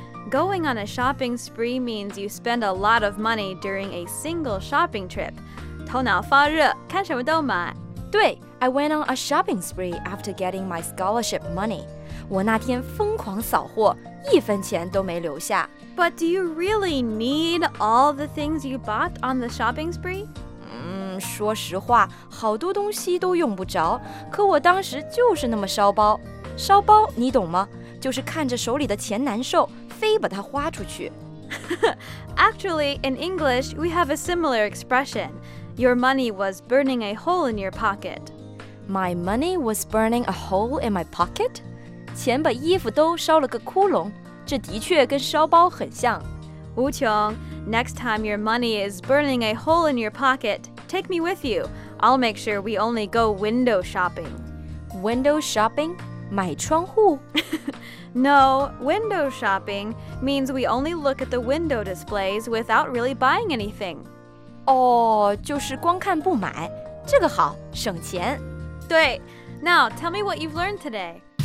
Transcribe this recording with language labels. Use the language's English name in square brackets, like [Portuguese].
[English] Going on a shopping spree means you spend a lot of money during a single shopping trip. [Chinese] 头脑发热，看什么都买。对， [English] I went on a shopping spree after getting my scholarship money. [Chinese] 我那天疯狂扫货，一分钱都没留下。 [English] But do you really need all the things you bought on the shopping spree? [Chinese] 说实话，好多东西都用不着，可我当时就是那么烧包。烧包你懂吗？就是看着手里的钱难受，非把它花出去。 [English] Actually, in English, we have a similar expression. Your money was burning a hole in your pocket. My money was burning a hole in my pocket? [Chinese] 钱把衣服都烧了个窟窿，这的确跟烧包很像。 [English] 无穷， next time your money is burning a hole in your pocket, take me with you. I'll make sure we only go window shopping. Window shopping? [Chinese] 买窗户 [English] No, window shopping means we only look at the window displays without really buying anything. [Chinese] 哦，就是光看不买，这个好，省钱。 [English] 对， now tell me what you've learned today.